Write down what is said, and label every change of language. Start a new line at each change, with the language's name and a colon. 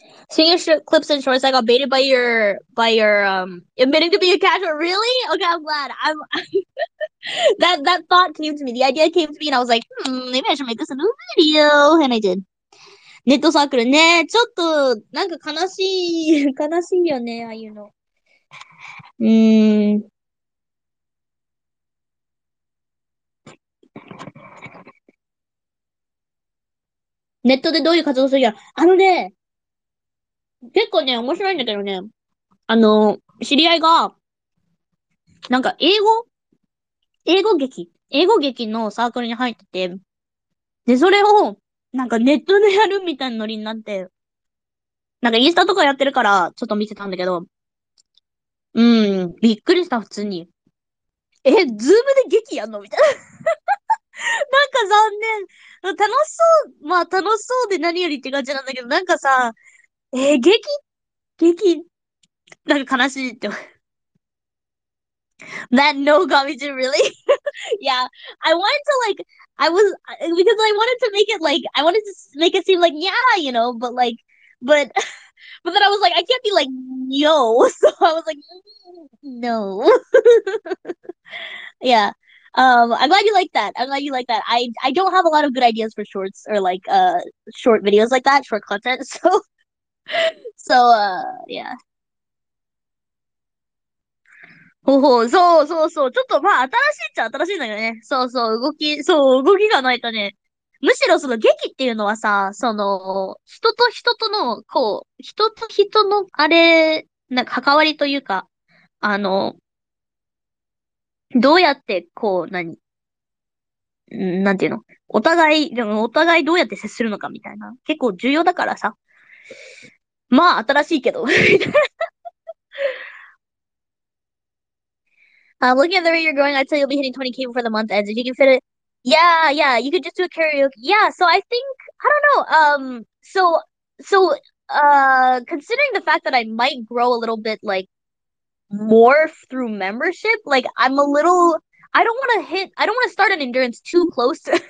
English: Seeing your clips and shorts, I got baited by your admitting to be a casual. Really? Okay, I'm glad. That thought came to me. The idea came to me, and I was like, maybe I should make this into a video, and I did.
Japanese: ネットサークルね、ちょっとなんか悲しい悲しいよね、ああいうの。ネットでどういう活動するや、あのね。結構ね、面白いんだけどね。あの、知り合いが、なんか英語劇のサークルに入ってて、で、それを、なんかネットでやるみたいなノリになって、なんかインスタとかやってるから、ちょっと見てたんだけど、びっくりした、普通に。え、ズームで劇やんのみたいな。なんか残念。楽しそう、まあ楽しそうで何よりって感じなんだけど、なんかさ、劇なんか悲しいって。
English: That no garbage, really? Yeah, I wanted to make it seem like, yeah, you know, but then I was like, I can't be like, no. So I was like, no. Yeah. I'm glad you like that. I don't have a lot of good ideas for shorts or like, short videos like that, short content, so.
Japanese: そう、yeah. そうそうそう。ちょっとまあ新しいっちゃ新しいんだけどね。そうそう、動きがないとね。むしろその劇っていうのはさ、その、人と人との、こう、人と人の、あれ、なんか関わりというか、あの、どうやって、こう、何、なんていうの、お互い、でもお互いどうやって接するのかみたいな。結構重要だからさ。まあ、新しいけど。
English: looking at the way you're going, I'd say you'll be hitting 20k before the month ends. If you can fit it. Yeah, yeah, you could just do a karaoke. Yeah, so I think, I don't know. So, considering the fact that I might grow a little bit, like, more through membership, like, I'm a little, I don't want to start an endurance too close.